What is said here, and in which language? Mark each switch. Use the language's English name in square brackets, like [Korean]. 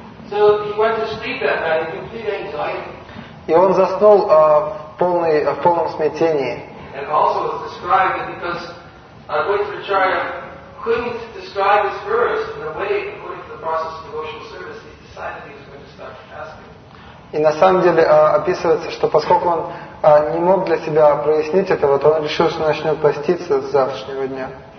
[English] So he went to sleep that night in complete anxiety. [Russian] И он заснул в полном смятении. [English] And also was described because Advaita Acharya couldn't describe his verse in a way according to the process of devotional service. He decided he was going to start fasting. [Russian] И на самом деле описывается, что поскольку он не мог для себя прояснить этого, то он решил, что начнет поститься с завтрашнего дня.